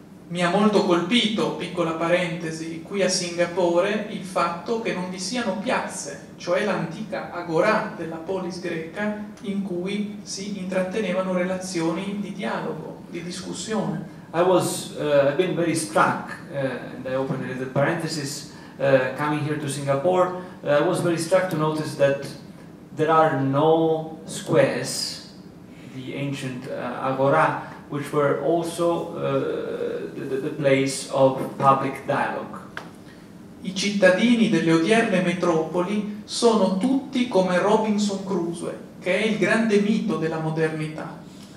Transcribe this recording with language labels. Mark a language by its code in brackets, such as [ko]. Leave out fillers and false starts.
[it] Mi ha molto colpito, piccola parentesi, qui a Singapore il fatto che non vi siano piazze, cioè l'antica agorà della polis greca in cui si intrattenevano relazioni di dialogo, di discussione. [en] I've been very struck, and I open a little parenthesis, coming here to Singapore, I was very struck to notice that there are no squares, the ancient agorà, which were also the place of public dialogue. [it] I cittadini delle odierne metropoli sono tutti come Robinson Crusoe, che è il grande mito della modernità.